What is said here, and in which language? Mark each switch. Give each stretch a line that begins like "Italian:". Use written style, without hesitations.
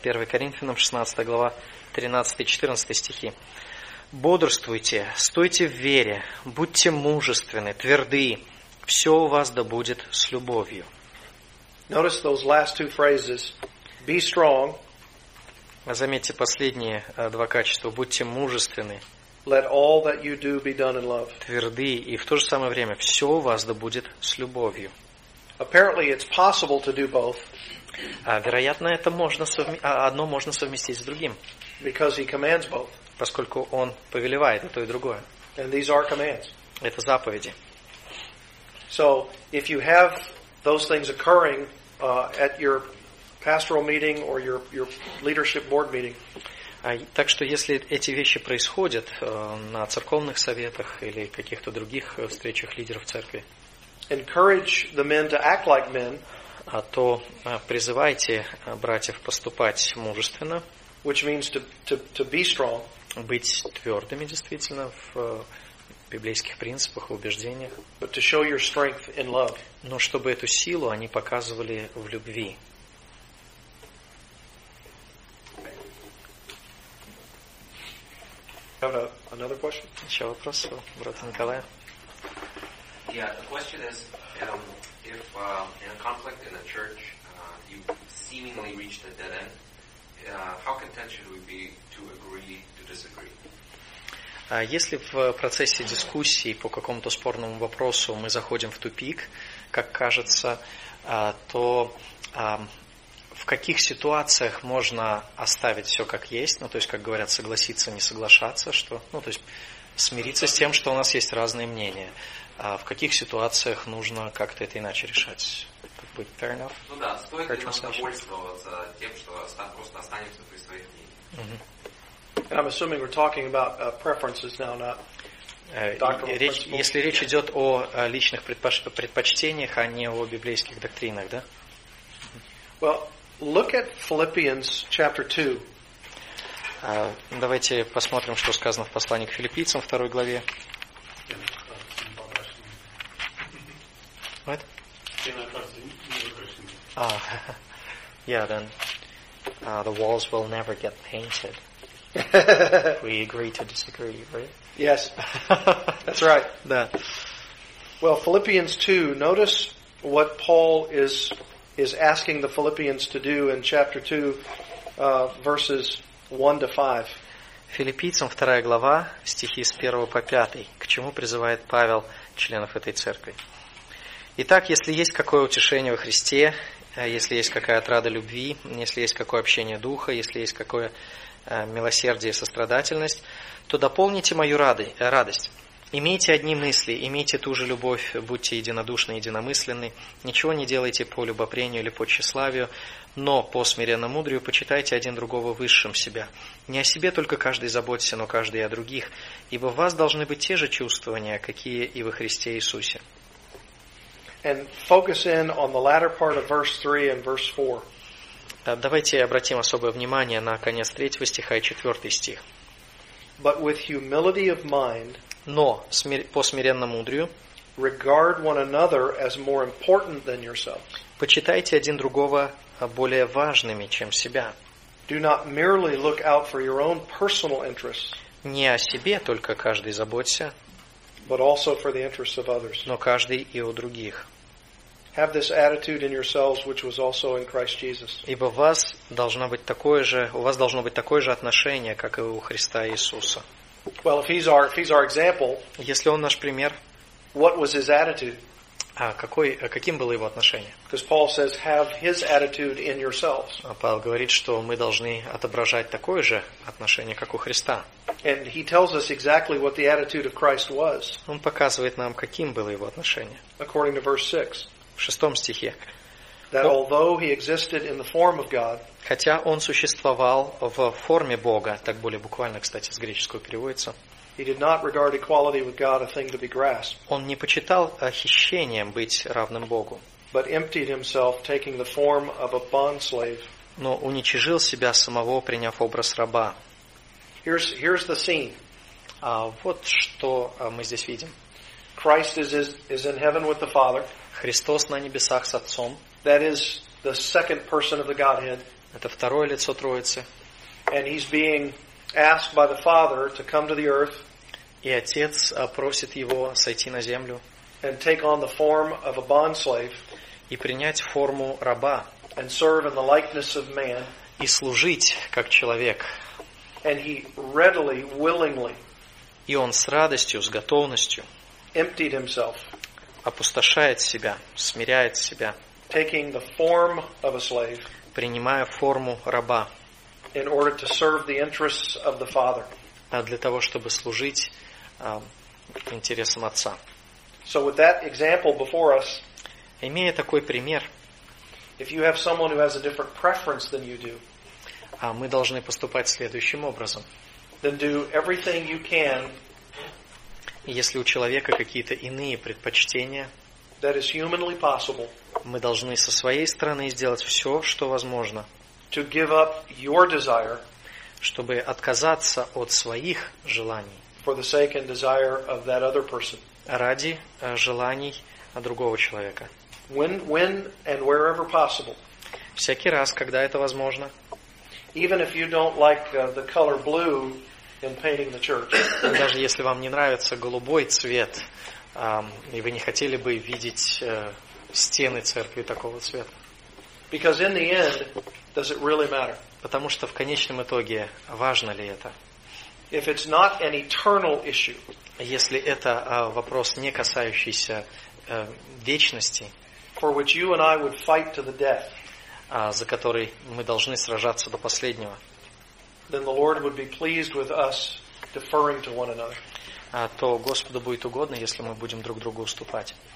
Russian: 1 Коринфянам, 16 глава, 13-14 стихи. «Бодрствуйте, стойте в вере, будьте мужественны, тверды, все у вас да будет с любовью».
English: Notice those last two phrases. Be strong.
Russian: Заметьте последние два качества. Будьте мужественны.
English: Let all that you do be done in love.
Russian: Тверды, и в то же самое время все у вас да будет с любовью.
English: Apparently, it's possible to do both.
Russian: Вероятно, это можно одно можно совместить с другим.
English: Because he commands both.
Russian: Поскольку он повелевает то и другое.
English: And these are commands.
Russian: Это заповеди.
English: So, if you have those things occurring at your pastoral meeting or your leadership board meeting.
Russian: Так что, если эти вещи происходят на церковных советах или каких-то других встречах лидеров церкви.
English: Encourage the men to act like men.
Russian: А то призывайте братьев поступать мужественно.
English: Which means to be strong.
Russian: Быть твердыми действительно в библейских принципах, в убеждениях.
English: But to show your strength in love.
Russian: Но чтобы эту силу они показывали в любви.
English: Another question?
Russian: Еще вопрос у брата Николая.
English: Yeah, the question is, if in a conflict in a church, you seemingly reached a dead end, how content should we be to agree to disagree?
Russian: Если в процессе дискуссии по какому-то спорному вопросу мы заходим в тупик, как кажется, то в каких ситуациях можно оставить все как есть, ну, то есть, как говорят, согласиться, не соглашаться, что, ну, то есть, смириться с тем, что у нас есть разные мнения. А в каких ситуациях нужно как-то это иначе решать? Будет
English: fair enough?
Russian: Ну да, стоит ли нам довольствоваться тем, что просто останемся при своих мнениях?
English: And I'm assuming we're talking about preferences now, not doctrinal.
Russian: Если речь идет о личных предпочтениях, а не о библейских доктринах, да?
English: Well, look at Philippians chapter 2.
Russian: Давайте посмотрим, что сказано в послании к Филиппийцам, второй главе.
English: What? Yeah, then the walls will never get painted. We agree to disagree, right? Yes, that's right. That. Well, Philippians 2, notice what Paul is asking the Philippians to do in chapter 2, verses 1 to 5.
Russian: Филиппийцам 2 глава, стихи с 1 по 5, к чему призывает Павел членов этой церкви. Итак, если есть какое утешение во Христе, если есть какая отрада любви, если есть какое общение Духа, если есть какое милосердие и сострадательность, то дополните мою радость. Имейте одни мысли, имейте ту же любовь, будьте единодушны, единомысленны, ничего не делайте по любопрению или по тщеславию, но по смиренно-мудрию почитайте один другого высшим себя. Не о себе только каждый заботься, но каждый и о других, ибо в вас должны быть те же чувствования, какие и во Христе Иисусе.
English: And focus in on the latter part of verse 3 and verse 4.
Russian: Давайте обратим особое внимание на конец 3 стиха и 4 стих.
English: But with humility of mind,
Russian: но по смиренно-мудрию,
English: regard one another as more important than yourself.
Russian: Почитайте один другого более важными, чем себя.
English: Do not merely look out for your own personal interests.
Russian: Не о себе только каждый заботься,
English: but also for the interests of others.
Russian: Но каждый и о других.
English: Have this attitude in yourselves, which was also in Christ Jesus.
Russian: Ибо у вас должно быть такое же, у вас должно быть такое же отношение, как и у Христа Иисуса.
English: Well, if he's our example,
Russian: если он наш пример,
English: what was his attitude?
Russian: Каким было его отношение?
English: Because Paul says, have his attitude in yourselves.
Russian: Павел говорит, что мы должны отображать такое же отношение, как у Христа.
English: And he tells us exactly what the attitude of Christ was.
Russian: Он показывает нам, каким было его отношение.
English: According to verse 6.
Russian: В шестом стихе.
English: That although he existed in the form of God,
Russian: хотя он существовал в форме Бога, так более буквально, кстати, с греческого переводится,
English: he did not regard equality with God a thing to be grasped.
Russian: Он не почитал хищением быть равным Богу,
English: but emptied himself, taking the form of a bond slave.
Russian: Но уничижил себя самого, приняв образ раба.
English: Here's the scene.
Russian: Вот что мы здесь видим.
English: Christ is in heaven with the Father.
Russian: Христос на небесах с Отцом.
English: That is the second person of the Godhead.
Russian: Это второе лицо Троицы.
English: And he's being asked by the Father to come to the earth.
Russian: И Отец просит его сойти на землю.
English: And take on the form of a bond slave.
Russian: И принять форму раба.
English: And serve in the likeness of man.
Russian: И служить как человек.
English: And he readily, willingly.
Russian: И он с радостью, с готовностью.
English: Emptied himself.
Russian: Опустошает себя, смиряет себя.
English: Taking the form of a slave,
Russian: принимая форму раба,
English: in order to serve the interests of the Father,
Russian: для того, чтобы служить интересам Отца.
English: So with that example before us,
Russian: имея такой пример,
English: if you have someone who has a different preference than you do,
Russian: мы должны поступать следующим образом.
English: Then do everything you can.
Russian: Если у человека какие-то иные предпочтения,
English: that is humanly possible,
Russian: мы должны со своей стороны сделать все, что возможно,
English: to give up your desire,
Russian: чтобы отказаться от своих желаний,
English: for the sake and desire of that other person,
Russian: ради желаний другого человека.
English: When and wherever possible,
Russian: всякий раз, когда это возможно,
English: even if you don't like the color blue in painting the church.
Russian: Даже если вам не нравится голубой цвет, и вы не хотели бы видеть стены церкви такого цвета.
English: Because in the end, does it really matter?
Russian: Потому что в конечном итоге важно ли это?
English: If it's not an eternal issue,
Russian: если это вопрос, не касающийся вечности,
English: for which you and I would fight to the death,
Russian: за который мы должны сражаться до последнего,
English: then the Lord would be pleased with us deferring to one another.
Russian: То Господу будет угодно, если мы будем друг другу уступать.